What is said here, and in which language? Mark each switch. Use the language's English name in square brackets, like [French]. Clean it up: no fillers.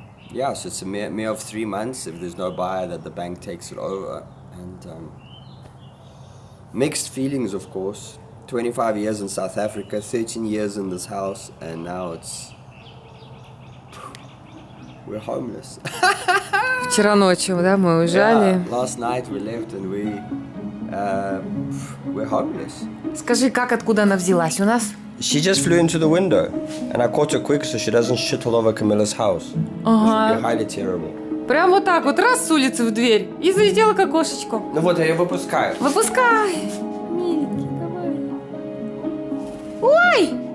[English] Yeah, so it's a mere of 3 months. If there's no buyer, that the bank takes it over. And mixed feelings, of course. 25 years in South Africa, 13 years in this house, and now it's... We're homeless. [Russian] Вчера ночью, да, мы уезжали. [English] Yeah, last night we left and we're homeless. [Russian] Скажи, как, откуда она взялась у нас? [English] She just flew into the window, and I caught her quick so she doesn't shit all over Camilla's house. [Russian] Ага. [English] Which would be highly terrible. [Russian] Прям вот так вот, раз с улицы в дверь, и залетела к окошечку. Ну вот, я ее выпускаю. Выпускай! Ой!